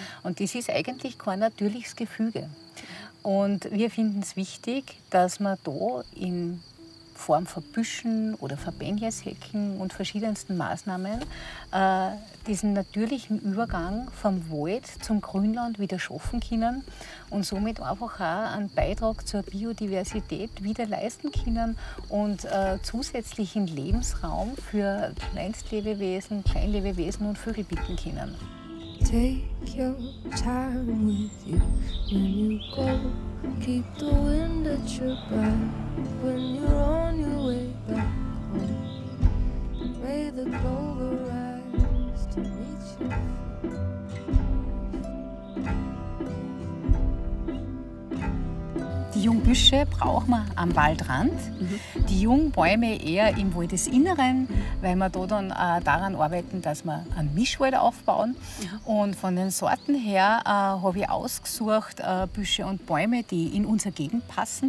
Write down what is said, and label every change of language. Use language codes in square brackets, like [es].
[de] Und das ist eigentlich kein natürliches Gefüge. Und wir finden es wichtig, dass man da in Form von Büschen oder Verbengeshecken und verschiedensten Maßnahmen diesen natürlichen Übergang vom Wald zum Grünland wieder schaffen können und somit einfach auch einen Beitrag zur Biodiversität wieder leisten können und zusätzlichen Lebensraum für Kleinstlebewesen, Kleinlebewesen und Vögel bieten können. [en] Take your time with you when you go. Keep the wind at your back when you're on your way back home. May the clover rise to meet you. [de] Die Jungbüsche braucht man am Waldrand, die Jungbäume eher im Wald des Inneren, weil wir da dann daran arbeiten, dass wir einen Mischwald aufbauen. Und von den Sorten her habe ich ausgesucht Büsche und Bäume, die in unsere Gegend passen.